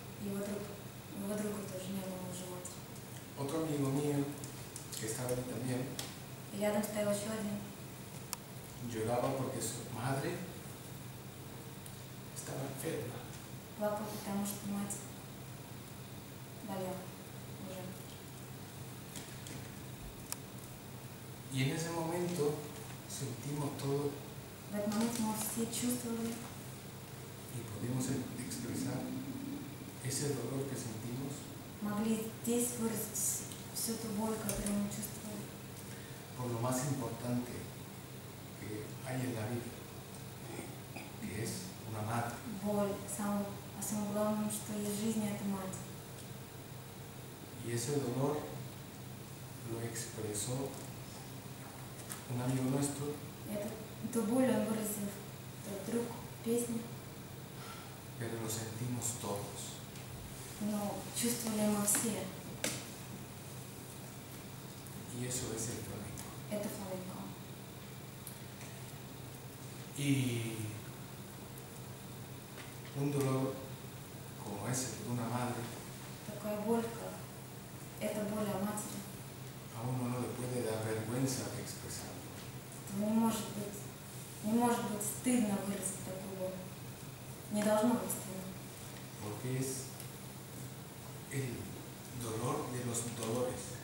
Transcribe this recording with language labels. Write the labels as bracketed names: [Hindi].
[Russian] Y его друг тоже не был уже мать. [Spanish] Otro amigo mío, que estaba ahí también. [Russian] Y рядом стоял еще один. [Spanish] Lloraba porque su madre estaba enferma. [Russian] Плакал, потому что мать болела уже. [Spanish] Y en ese momento sentimos todo. [Russian] В этот момент мы все чувствовали. [Spanish] И podemos expresar ese dolor que sentimos. [Russian] Могли здесь выразить всю ту боль, которую мы чувствовали. [Spanish] Por lo más importante que hay en la vida, que es una madre. [Russian] Боль, самое главное, что есть в жизни, это мать. [Spanish] Y ese dolor lo expresó un amigo nuestro. [Russian] Ту боль он выразил, тот друг, песни. [Spanish] Pero lo sentimos todos. [Russian] Но чувствовали мы все. [Spanish] Y eso es el flamenco. [Russian] Это фламенко. [Spanish] Y un dolor como ese de una madre. [Russian] Такая боль, как эта боль о матери. [Spanish] A uno no le puede dar vergüenza de expresarlo. [Russian] Не может быть. Не может быть стыдно выразить такую боль. Не должно быть стыдно. [Spanish] Porque es el dolor de los dolores.